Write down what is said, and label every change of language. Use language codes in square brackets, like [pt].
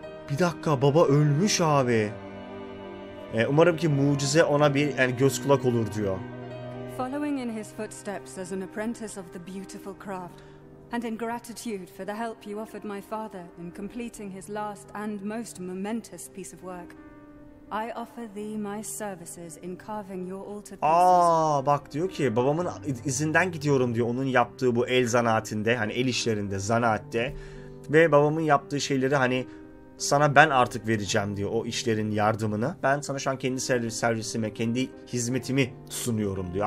[tr] Bir dakika, baba ölmüş abi. Umarım ki mucize ona bir, yani göz kulak olur diyor. [en] Following in his footsteps as an apprentice of the beautiful craft, and in gratitude for the help you offered my father in completing his last and most momentous piece of work, I offer thee my services in carving your altar pieces. [tr] Aa, bak diyor ki babamın izinden gidiyorum diyor, onun yaptığı bu el zanaatinde, hani el işlerinde, zanaatte. Ve babamın yaptığı şeyleri hani sana ben artık vereceğim diyor, o işlerin yardımını. Ben sana şu an kendi servisime, kendi hizmetimi sunuyorum diyor.